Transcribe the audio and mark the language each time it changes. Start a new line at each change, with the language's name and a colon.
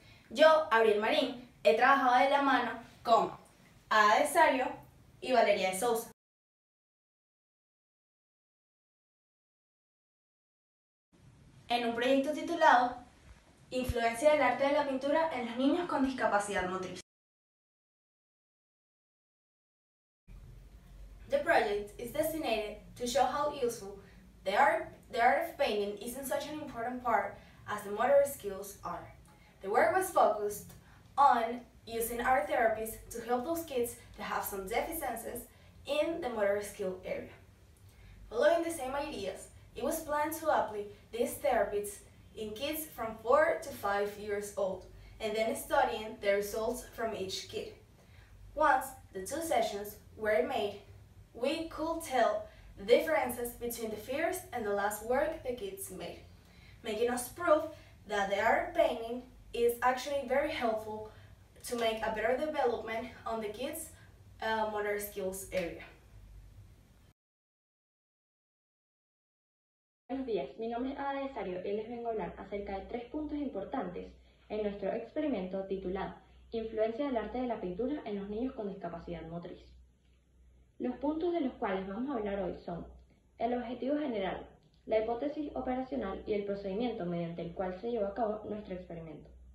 Spanish: Yo, Abril Marín, he trabajado de la mano con Ada de Sario y Valeria de Sousa. En un proyecto titulado Influencia del arte de la pintura en los niños con discapacidad motriz.
English: The project is designated to show how useful the art of painting isn't such an important part as the motor skills are. The work was focused on using art therapies to help those kids that have some deficiencies in the motor skill area. Following the same ideas, it was planned to apply these therapies in kids from 4 to 5 years old, and then studying the results from each kid. Once the two sessions were made, we could tell the differences between the first and the last work the kids made, making us prove that the art of painting is actually very helpful to make a better development on the kids' motor skills area.
Spanish: Buenos días, mi nombre es Ada de Sario y les vengo a hablar acerca de tres puntos importantes en nuestro experimento titulado Influencia del arte de la pintura en los niños con discapacidad motriz. Los puntos de los cuales vamos a hablar hoy son el objetivo general, la hipótesis operacional y el procedimiento mediante el cual se llevó a cabo nuestro experimento.